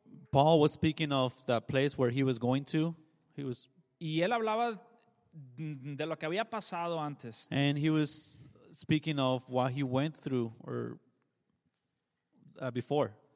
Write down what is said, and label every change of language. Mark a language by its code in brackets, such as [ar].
[en] Paul was speaking of the place where he was going to. [es] Y él hablaba de lo que había pasado antes. [en] And he was speaking of what he went through or before.